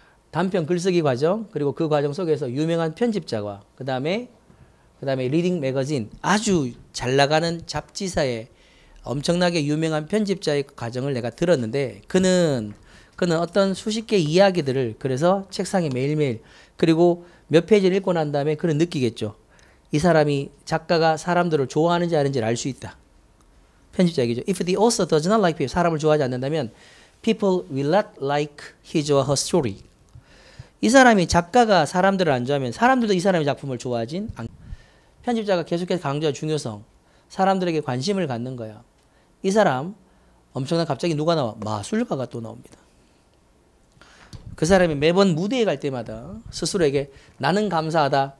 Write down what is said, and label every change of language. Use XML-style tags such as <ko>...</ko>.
<ko>단편 글쓰기 과정 그리고 그 과정 속에서 유명한 편집자와 그 다음에 리딩 매거진 아주 잘 나가는 잡지사의 엄청나게 유명한 편집자의 과정을 내가 들었는데 그는 어떤 수십 개 이야기들을 그래서 책상에 매일매일 그리고 몇 페이지를 읽고 난 다음에 그는 느끼겠죠. 이 사람이 작가가 사람들을 좋아하는지 아닌지 알 수 있다. 편집자 얘기죠.</ko> <en>If the author does not like people,</en> <ko>사람을 좋아하지 않는다면</ko> <en>people will not like his or her story.</en> <ko>이 사람이 작가가 사람들을 안 좋아하면 사람들도 이 사람의 작품을 좋아하진 않. 편집자가 계속해서 강조할 중요성. 사람들에게 관심을 갖는 거야. 이 사람 엄청난 갑자기 누가 나와? 마술가가 또 나옵니다. 그 사람이 매번 무대에 갈 때마다 스스로에게 나는 감사하다.</ko>